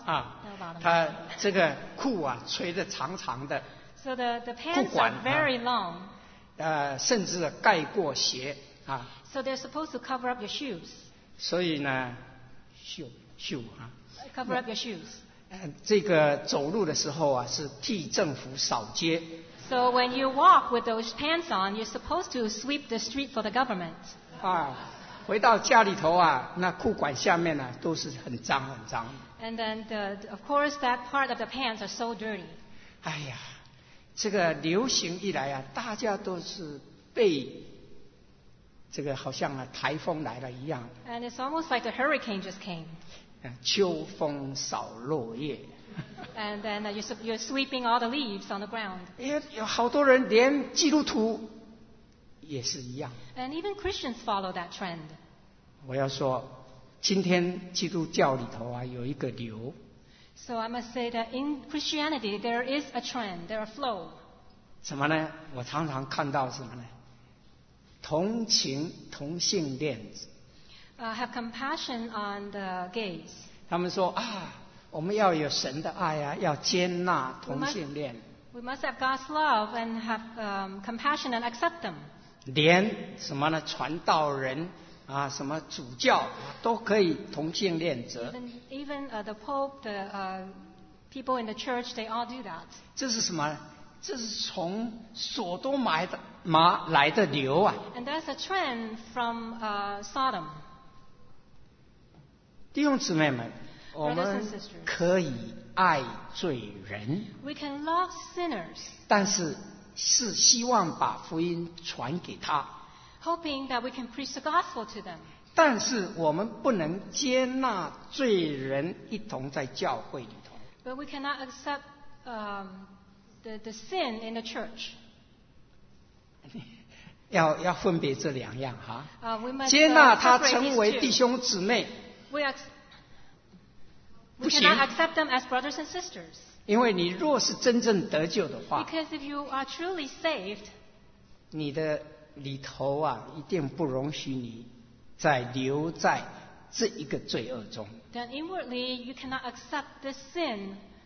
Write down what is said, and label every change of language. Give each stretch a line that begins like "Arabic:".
Chinese: 啊，它这个裤啊垂得长长的，
English: so the pants are very long，
Chinese: 甚至盖过鞋啊。
English: So they're supposed to cover up your shoes。
Chinese: 所以呢，袖啊
English: ，cover up your shoes。
Chinese: 这个走路的时候啊，是替政府扫街。
English: So when you walk with those pants on, you're supposed to sweep the street for the government。
Chinese: 啊。回到家里头啊，那裤管下面呢、啊、都是很脏很脏。
English: And then of course that part of the pants are so dirty.
Chinese: 哎呀，这个流行一来啊，大家都是被这个好像啊台风来了一样。
English: And it's almost like the hurricane just came.
Chinese: 秋风扫落叶。
English: And then you're sweeping all the leaves on the ground.
Chinese: 有好多人连基督徒。也是一样。
English: And even Christians follow that trend.
Chinese: 我要说，今天基督教里头啊有一个流。
English: So I must say that in Christianity there is a trend, there are flow.
Chinese: 什么呢？我常常看到什么呢？同情同性恋者。
English: Have compassion on the gays.
Chinese: 他们说啊，我们要有神的爱啊，要接纳同性恋。
English: We must have God's love and have compassion and accept them.
Chinese: 连什么呢？传道人啊，什么主教、啊、都可以同性恋者。
English: Even the Pope, the people in the church, they all do that.
Chinese: 这是什么？这是从索多玛来的流啊。
English: And that's a trend from Sodom.
Chinese: 弟兄姊妹们，我们可以爱罪人。
English: We can love sinners.
Chinese: 但是。是希望把福音传给他，
English: hoping that we can preach the gospel to them.
Chinese: 但是我们不能接纳罪人一同在教会里头。
English: But we cannot accept the sin in the church.
Chinese: 要分别这两样哈。
English: We must
Chinese: 接纳他成为弟兄姊妹。
English: We cannot accept them as brothers and sisters.
Chinese: 因为你若是真正得救的话，
English: Because if you are truly saved,
Chinese: 你的里头啊一定不容许你再留在这一个罪恶中。
English: Then inwardly you cannot accept the sin.